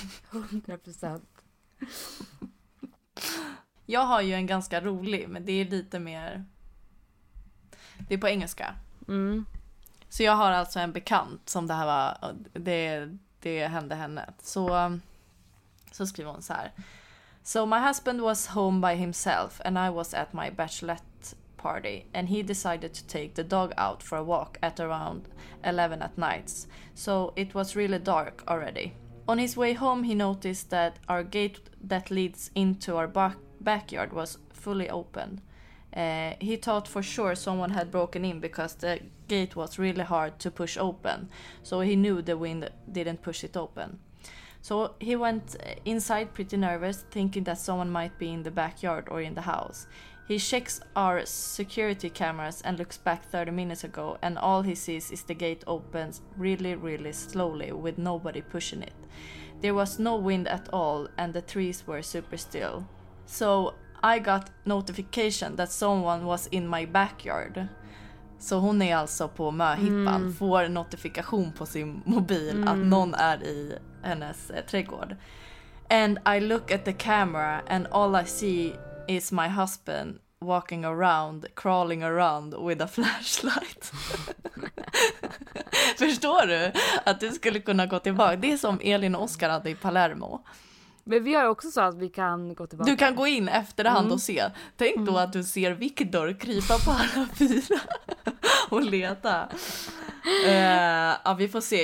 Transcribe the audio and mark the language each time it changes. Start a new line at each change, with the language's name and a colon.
Swedish: 100%. Jag har ju en ganska rolig, men det är lite mer... Det är på engelska. Mm. Så jag har alltså en bekant som det här var... Det hände henne. Så skriver hon så här.
English: So my husband was home by himself and I was at my bachelorette party and he decided to take the dog out for a walk at around 11 at night. So it was really dark already. On his way home he noticed that our gate that leads into our backyard was fully open. He thought for sure someone had broken in because the gate was really hard to push open, so he knew the wind didn't push it open. So he went inside pretty nervous, thinking that someone might be in the backyard or in the house. He checks our security cameras and looks back 30 minutes ago, and all he sees is the gate opens really, really slowly with nobody pushing it. There was no wind at all and the trees were super still. So I got notification that someone was in my backyard.
Swedish: Så hon är alltså på möhippan, får notifikation på sin mobil att någon är i hennes trädgård.
English: And I look at the camera and all I see is my husband walking around, crawling around with a flashlight.
Swedish: Förstår du att du skulle kunna gå tillbaka? Det är som Elin och Oskar hade i Palermo. Men vi har också sagt att vi kan gå tillbaka. Du kan gå in efterhand och se. Tänk då att du ser Victor krypa på alla fyra och leta. Ja, vi får se.